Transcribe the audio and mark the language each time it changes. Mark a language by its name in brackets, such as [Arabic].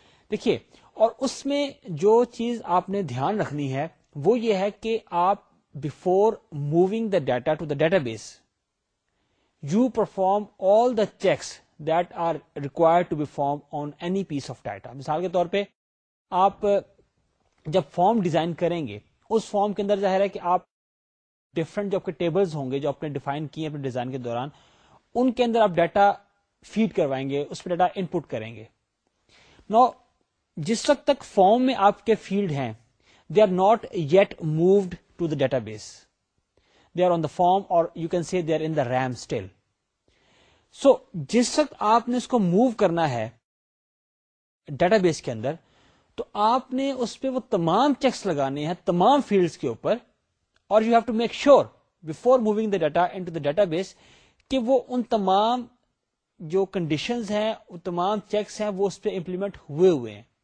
[Urdu] دیکھیے اور اس میں جو چیز آپ نے دھیان رکھنی ہے وہ یہ ہے کہ آپ [English] Before moving the data to the database you perform all the checks that are required to be form on any piece of data. [Urdu] مثال کے طور پہ آپ جب فارم ڈیزائن کریں گے اس فارم کے اندر ظاہر ہے کہ آپ ڈفرنٹ جو آپ کے ٹیبلز ہوں گے جو آپ نے ڈیفائن کیے اپنے ڈیزائن کے دوران ان کے اندر آپ ڈیٹا فیڈ کروائیں گے اس پہ ڈیٹا ان پٹ کریں گے. نو جس وقت تک فارم میں آپ کے فیلڈ ہیں [English] They are not yet moved to the database they are on the form اور you can see they are in the RAM still. [Urdu] سو جس وقت آپ نے اس کو موو کرنا ہے ڈیٹا بیس کے اندر تو آپ نے اس پہ وہ تمام چیکس لگانے ہیں تمام فیلڈس کے اوپر اور [English] you have to make sure before moving the data into the database [Urdu] کہ وہ ان تمام جو کنڈیشنز ہیں وہ تمام چیکس ہیں وہ اس پہ امپلیمنٹ ہوئے ہوئے ہیں.